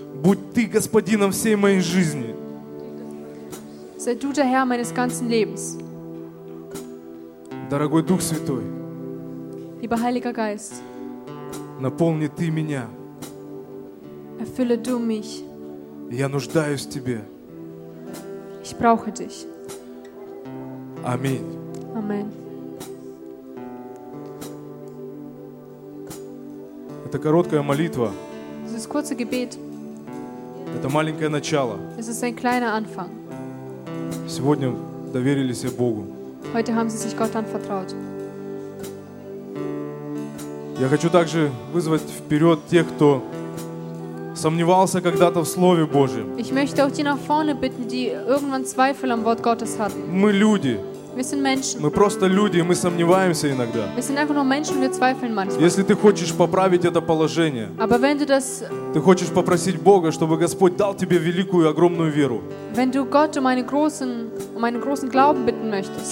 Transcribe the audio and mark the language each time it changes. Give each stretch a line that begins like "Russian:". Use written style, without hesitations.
Russian: будь ты господином всей моей жизни,
German: sei du der Herr meines ganzen Lebens.
Russian: Дорогой Дух Святой,
German: lieber Heiliger Geist,
Russian: наполни ты меня.
German: Erfülle du mich.
Russian: Я нуждаюсь в тебе.
German: Ich brauche dich. Amen. Amen.
Russian: Это короткая молитва.
German: Es ist kurzes Gebet.
Russian: Это маленькое начало.
German: Es ist ein kleiner Anfang.
Russian: Сегодня доверились Богу.
German: Heute haben sie sich Gott anvertraut.
Russian: Я хочу также вызвать вперед тех, кто сомневался когда-то в Слове Божьем.
German: Ich möchte auch die nach vorne bitten, die irgendwann Zweifel am Wort Gottes hatten.
Russian: Мы люди.
German: Wir sind Menschen.
Russian: Мы просто люди, мы сомневаемся иногда.
German: Wir sind einfach nur Menschen, wir zweifeln manchmal.
Russian: Если ты хочешь поправить это положение,
German: aber wenn du das,
Russian: ты хочешь попросить Бога, чтобы Господь дал тебе великую, огромную веру,
German: wenn du Gott um einen großen Glauben bitten möchtest,